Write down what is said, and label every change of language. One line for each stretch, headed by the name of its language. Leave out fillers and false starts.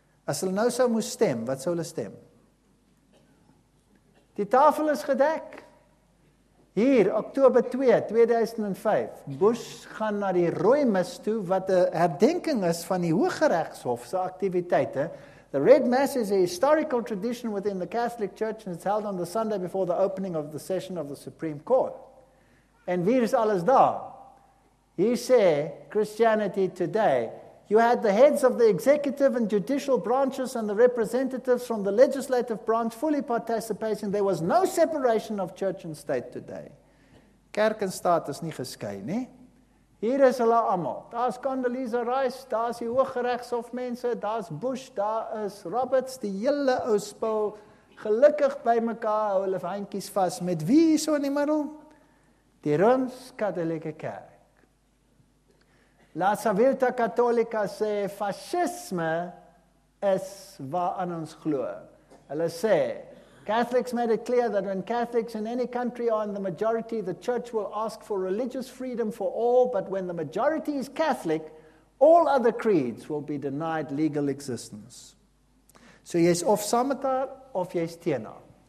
Afrikaans: As hulle nou sou moes stem, wat sou hulle stem? Die tafel is gedek. Hier, Oktober 2, 2005. Bush gaan na die rooi mis toe, wat 'n herdenking is van die Hooggeregshof se aktiwiteite.
English: The Red Mass is a historical tradition within the Catholic Church and it's held on the Sunday before the opening of the session of the Supreme Court.
Afrikaans: En wie is alles daar?
English: He said, Christianity Today, you had the heads of the executive and judicial branches and the representatives from the legislative branch fully participating. There was no separation of church and state today.
Afrikaans: Kerk en staat is nie geskei nie. Hier is hulle almal. Daar's Condoleezza Rice, daar's die Hooggeregshof mense, daar's Bush, daar is Roberts, die hele ou spul. Gelukkig bymekaar hou hulle handjies vas. Met wie hierso in die middel? Die Rooms-Katolieke Kerk. La Civiltà Cattolica sê fascisme is waaraan ons glo. Hulle sê
English: Catholics made it clear that when Catholics in any country are in the majority, the church will ask for religious freedom for all, but when the majority is Catholic, all other creeds will be denied legal existence.
Afrikaans: So jy is of saam met haar, of jy is teen haar.